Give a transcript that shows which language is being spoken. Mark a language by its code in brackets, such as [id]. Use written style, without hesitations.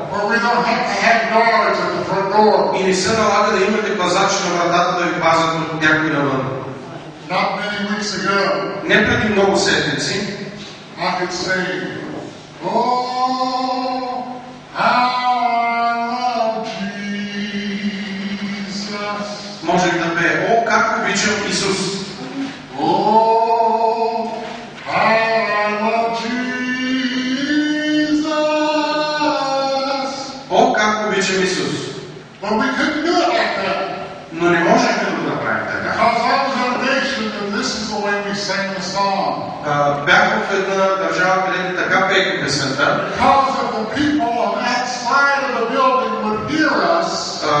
[en] Where we don't have to have guards at the front door. [bg] И не се налага да имате пазач на вратата да ви пазят от някой навън. [en] Not many weeks ago. [bg] Не преди много седмици. [en] I could say, oh, I love Jesus. [bg] Може да бе, о, как обичам Исус. [en] Oh, I love Jesus. [bg] О, как обичам Исус. [en] But we couldn't do it like that. [bg] Но не можехме да го направим така. [en] Because I was in a nation and this is the way we sang the song. [bg] Бях в една държава, където така пеехме песента. [en] Because of the people on that side of the building would hear us.